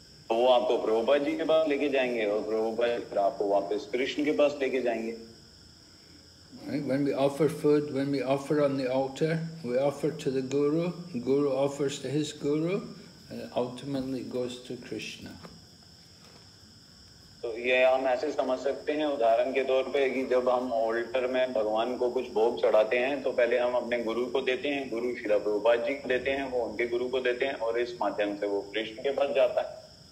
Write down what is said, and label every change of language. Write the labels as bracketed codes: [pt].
[hi] वो आपको प्रभुपाद जी के पास लेके जाएंगे और प्रभुपाद फिर आपको वापस कृष्ण के पास लेके जाएंगे. [en] When we offer food, when we offer on the altar, we offer to the guru. Guru offers to his guru, and ultimately goes to Krishna. [hi] तो ये हम ऐसे समझ सकते हैं उदाहरण के तौर पे कि जब हम ऑल्टर में भगवान को कुछ भोग चढ़ाते हैं तो पहले हम अपने गुरु को देते हैं गुरु श्री प्रभुपाद जी को देते हैं वो उनके गुरु को देते हैं और इस माध्यम से वो कृष्ण के पास जाता है.